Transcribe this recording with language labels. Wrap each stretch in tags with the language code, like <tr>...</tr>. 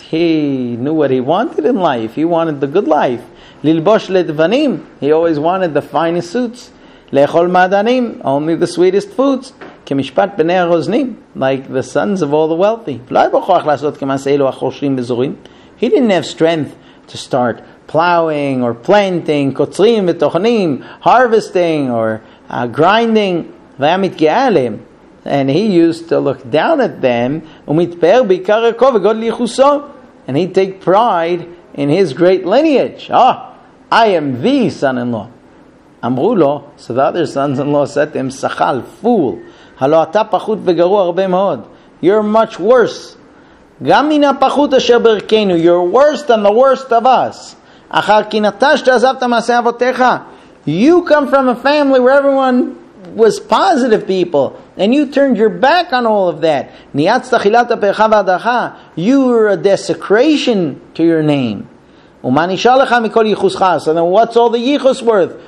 <en>He knew what he wanted in life. He wanted the good life.</en> <he>Lilbosh ledvanim,</he> <en>he always wanted the finest suits.</en> <he>Lechol madanim,</he> <en>only the sweetest foods.</en> <he>כמשפט בני הרוזנים,</he> <en>like the sons of all the wealthy.</en> <he>לא היה בכוח לעשות כמעשה אלו החושרים בזורים.</he> <en>He didn't have strength to start plowing or planting,</en> <he>קוצרים ותוכנים,</he> <en>harvesting or grinding.</en> <he>והיה מתגאה עליהם.</he> <en>And he used to look down at them,</en> <he>ומתפאר בעיקר ערכו וגודל ייחוסו.</he> <en>And he'd take pride in his great lineage. Oh, I am the son-in-law.</en> <he>אמרו לו,</he> <en>so the other sons-in-law said to him,</en> <he>שחל,</he> <en>fool.</en> <he>הלא אתה פחות וגרוע הרבה מאוד.</he> <en>You're much worse.</en> <he>גם מן הפחות אשר ברכנו.</he> <en>You're worse than the worst of us.</en> <he>אחר כי נטשת עזבת מעשה אבותיך.</he> <en>You come from a family where everyone was positive people. And you turned your back on all of that.</en> <he>ניאצת חילת פרחה והדרכה.</he> <en>You were a desecration to your name. So then what's all the yichus worth?</en>